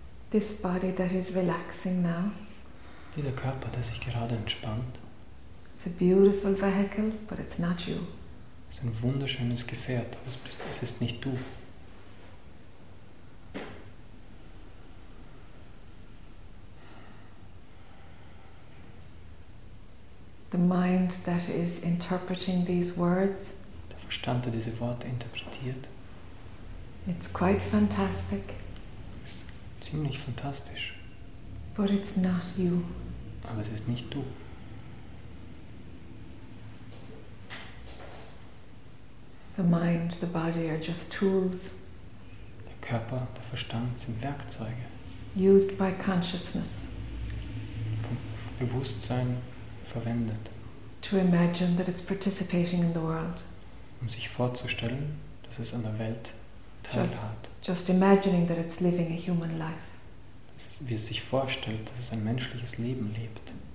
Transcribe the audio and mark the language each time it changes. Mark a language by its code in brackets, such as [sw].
[en] This body that is relaxing now. [de] Dieser Körper, der sich gerade entspannt. [en] It's a beautiful vehicle, but it's not you. [de] Es ist ein wunderschönes Gefährt, aber es ist nicht du. [en] The mind that is interpreting these words, [de] der Verstand, der diese Worte interpretiert, [en] it's quite fantastic, [de] ist ziemlich fantastisch. [en] But it's not you. [de] Aber es ist nicht du. [en] The mind, the body are just tools. [de] Der Körper, der Verstand sind Werkzeuge. [en] Used by consciousness. [de] Vom Bewusstsein verwendet. [en] To imagine that it's participating in the world. [de] Um sich vorzustellen, dass es an der Welt teilhat. [en] Just imagining that it's living a human life. [de] Das ist, wie es sich vorstellt, dass es ein menschliches Leben lebt.